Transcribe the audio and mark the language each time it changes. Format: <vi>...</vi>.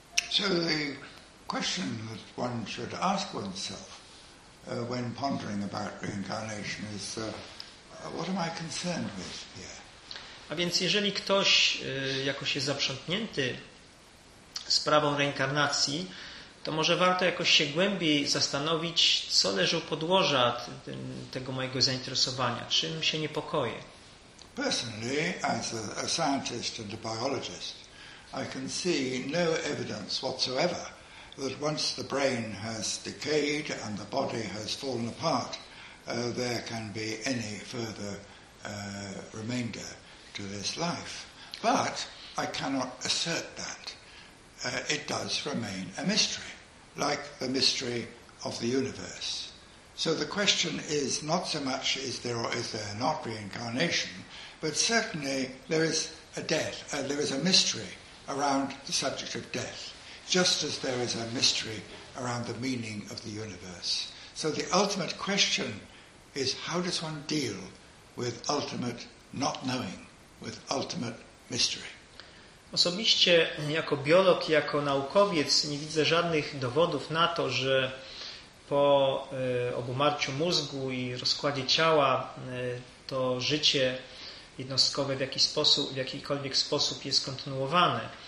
<en>So the question that one should ask oneself when pondering about reincarnation is what am I concerned with here?</en> <pl>A więc jeżeli ktoś jakoś jest zaprzątnięty sprawą reinkarnacji, to może warto jakoś się głębiej zastanowić, co leży u podłoża tego mojego zainteresowania, czym się niepokoję.</pl> <en>Personally, as a scientist and a biologist, I can see no evidence whatsoever that once the brain has decayed and the body has fallen apart, there can be any further remainder to this life. But I cannot assert that. It does remain a mystery, like the mystery of the universe. So the question is not so much is there or is there not reincarnation, but certainly there is a death, there is a mystery around the subject of death, just as there is a mystery around the meaning of the universe. So the ultimate question is how does one deal with ultimate not knowing, with ultimate mystery?</en> <pl>Osobiście jako biolog, jako naukowiec nie widzę żadnych dowodów na to, że po obumarciu mózgu i rozkładzie ciała to życie jednostkowe w jakikolwiek sposób jest kontynuowane.</pl>